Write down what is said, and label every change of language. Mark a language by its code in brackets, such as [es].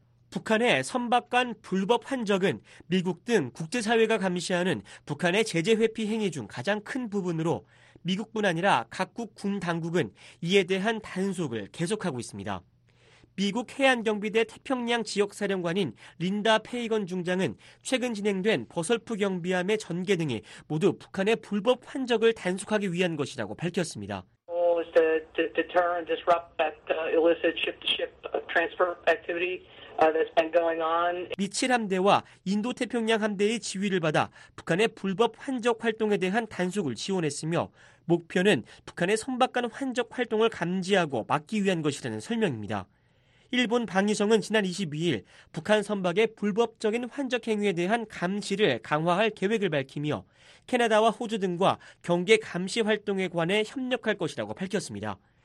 [ko] 북한의 선박 간 불법 환적은 미국 등 국제사회가 감시하는 북한의 제재 회피 행위 중 가장 큰 부분으로 미국뿐 아니라 각국 군 당국은 이에 대한 단속을 계속하고 있습니다. 미국 해안경비대 태평양 지역사령관인 린다 페이건 중장은 최근 진행된 버설프 경비함의 전개 등이 모두 북한의 불법 환적을 단속하기 위한 것이라고 밝혔습니다. [en] deter and disrupt that illicit ship-to-ship transfer activity that's been going on. [ko] 미칠 함대와 인도태평양 함대의 지휘를 받아 북한의 불법 환적 활동에 대한 단속을 지원했으며 목표는 북한의 선박 간 환적 활동을 감지하고 막기 위한 것이라는 설명입니다. 일본 방위성은 지난 22일 북한 선박의 불법적인 환적 행위에 대한 감시를 강화할 계획을 밝히며 캐나다와 호주 등과 경계 감시 활동에 관해 협력할 것이라고 밝혔습니다.